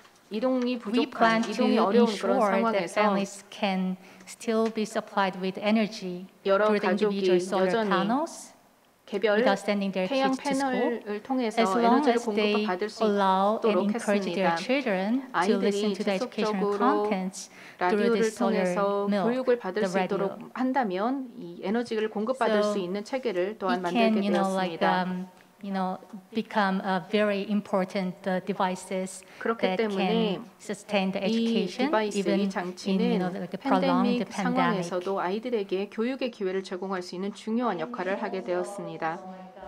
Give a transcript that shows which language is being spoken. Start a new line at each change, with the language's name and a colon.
Korean: 이동이 부족한 이동이 어려운 그런 상황에서 여러 가족이 여전히 개별 태양 패널을 통해서 에너지를 공급받을 수 있도록 했습니다. 아이들이 지속적으로 라디오를 통해서 교육을 받을 수 있도록 한다면 이 에너지를 공급받을 수 있는 체계를 또한 만들게 되었습니다.
English: You know, become a very important devices that can sustain the education even in prolonged pandemic
Korean: 상황에서도 아이들에게 교육의 기회를 제공할 수 있는 중요한 역할을 하게 되었습니다.